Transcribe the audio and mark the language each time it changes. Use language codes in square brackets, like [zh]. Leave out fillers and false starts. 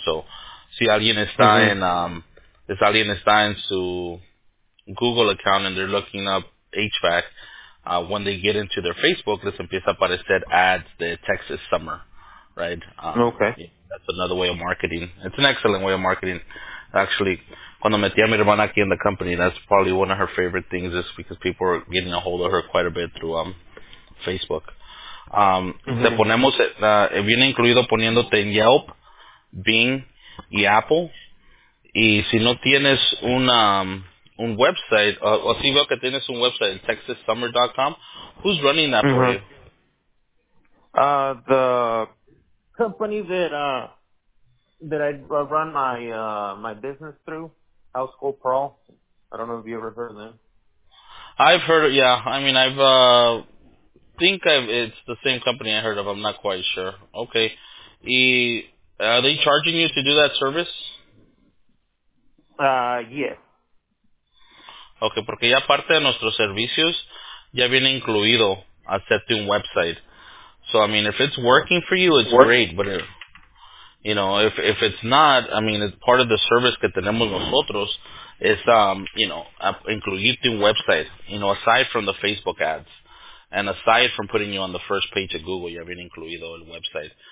[es] So si alguien está en, [en] if [es] alguien está en su Google account [en] and they're looking up HVAC, when they get into their Facebook, [es] les empieza a aparecer ads de Texas Summer, [en] right? Okay. That's another way of marketing. It's an excellent way of marketing. Actually, [es] cuando metí a mi hermana aquí [en] in the company, that's probably one of her favorite things, is because people are getting a hold of her quite a bit through Facebook. [es] Te ponemos, viene incluido poniéndote en Yelp, Bing, y Apple. Y si no tienes un website, o si veo que tienes un website, texassummer.com, [en] who's running that for you? The company that I run my business through, House School Pro. I don't know if you ever heard of them. I've heard of, it's the same company I heard of. I'm not quite sure. Okay. Are they charging you to do that service? Yes. [es] Okay, porque ya parte de nuestros servicios ya viene incluido hacerte un website. [en] So, I mean, if it's working for you, it's working. Great. But, you know, if it's not, I mean, it's part of the service [es] que tenemos nosotros [en] is, you know, [es] incluirte un website, [en] you know, aside from the Facebook ads. And aside from putting you on the first page of Google, [es] ya viene incluido el website.